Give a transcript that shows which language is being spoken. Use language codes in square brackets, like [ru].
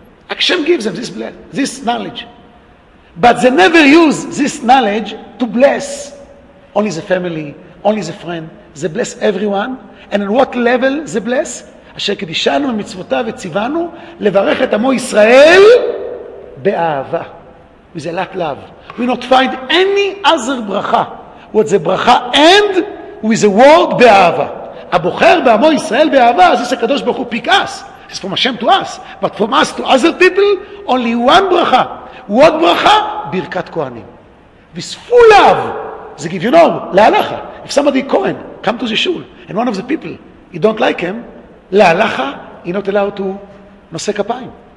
[en] Hashem gives them this knowledge. But they never use this knowledge to bless only the family, only the friend. They bless everyone. And on what level they bless? [he] אשר קדישנו ממצוותיו וציוונו לברך את עמו ישראל באהבה. [en] With a lot of love. We not find any other ברכה what the bracha end with the word be'ava. [he] הבוחר בעמו ישראל באהבה, אז יש הקדוש ברוך הוא [en] pick us. It's from Hashem to us. But from us to other people, only one ברכה. What ברכה? ברכת כהנים. With full love, they give you know, להלכה. If somebody Cohen, come to the shul, and one of the people, you don't like him, להלכה, he not allowed to נושא כפיים.